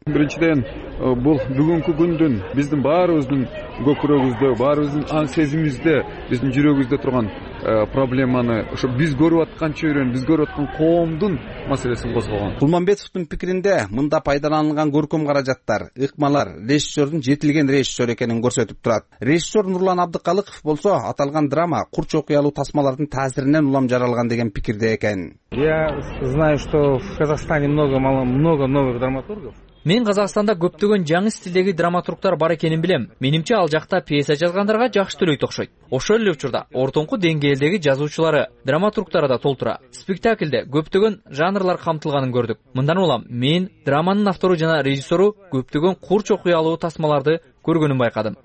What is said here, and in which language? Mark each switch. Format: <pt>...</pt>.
<ky>Биринчиден, бул бүгүнкү күндүн биздин баарыбыздын көкүрөгүбүздө, баарыбыздын ан сезимибизде, биздин жүрөгүбүздө турган проблеманы, ошо биз көрүп аткан чөйрөнү, биз көрүп аткан коомдун маселесин козгогон. Кулманбетовдун пикиринде мында пайдаланылган көркөм каражаттар, ыкмалар режиссердун жетилген режиссер экенин көрсөтүп турат. Режиссер Нурлан Абдыкалыков болсо, аталган драма курч окуялуу тасмалардын таасиринен улам жаралган деген пикирде экен.</ky> <ru>Я знаю, что в Казахстане много новых драматургов.</ru> <ky>Мен Казакстанда көптөгөн жаңы стилдеги драматургтар бар экенин билем. Менимче ал жакта пьеса жазгандарга жакшы төлөйт окшойт. Ошол эле учурда ортоңку деңгээлдеги жазуучулары, драматургтары да толтура. Спектакльде көптөгөн жанрлар камтылганын көрдүк. Мындан улам мен драманын автору жана режиссеру көптөгөн курч окуялуу тасмаларды көргөнүн байкадым.</ky>